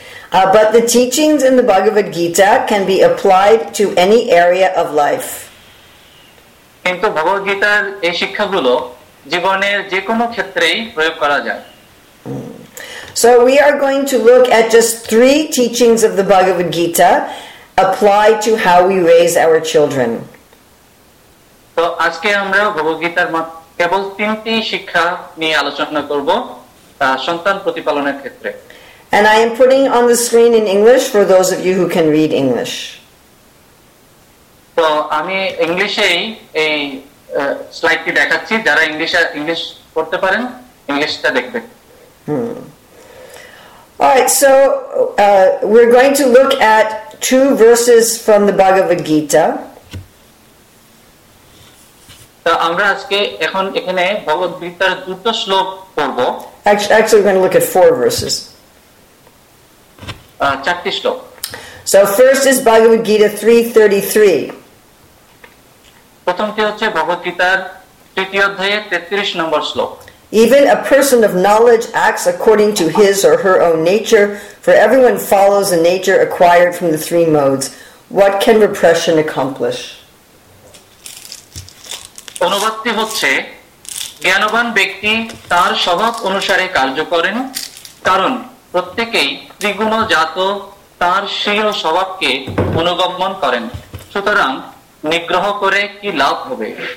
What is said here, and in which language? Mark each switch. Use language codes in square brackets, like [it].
[en] But the teachings in the Bhagavad Gita can be applied to any area of life. [bn] কিন্তু ভগবদ গীতার এই শিক্ষাগুলো জীবনের যে কোনো ক্ষেত্রেই প্রয়োগ করা যায়। [en] So we are going to look at just three teachings of the Bhagavad Gita applied to how we raise our children. [bn] So আজকে আমরা ভগবদ গীতার কেবল তিনটি শিক্ষা নিয়ে আলোচনা করব সন্তান প্রতিপালনের ক্ষেত্রে। [en] And I am putting on the screen in English for those of you who can read English. [bn] So আমি ইংলিশেই এই স্লাইডটি দেখাচ্ছি, যারা ইংলিশ পড়তে পারেন ইংলিশটা দেখবেন। [en] All right, so we're going to look at two verses from the Bhagavad Gita. [bn] So, আমরা আজকে এখন এখানে ভগবদ গীতার দুটো শ্লোক পড়ব। [en] Actually, we're going to look at four verses. [bn] চারটি শ্লোক। [en] So, first is Bhagavad Gita 3:33. [bn] প্রথমটি হচ্ছে ভগবদ গীতার তৃতীয় অধ্যায়ের 33 নম্বর শ্লোক। [en] Even a person of knowledge acts according to his or her own nature, for everyone follows a nature acquired from the three modes. What can repression accomplish? [bn] অনুবাদটি হচ্ছে, জ্ঞানবান ব্যক্তি তার স্বভাব অনুসারে কার্য করেন, কারণ প্রত্যেকেই ত্রিগুণজাত তার স্বীয় স্বভাবকে অনুগমন করেন, সুতরাং নিগ্রহ করে কি লাভ হবে।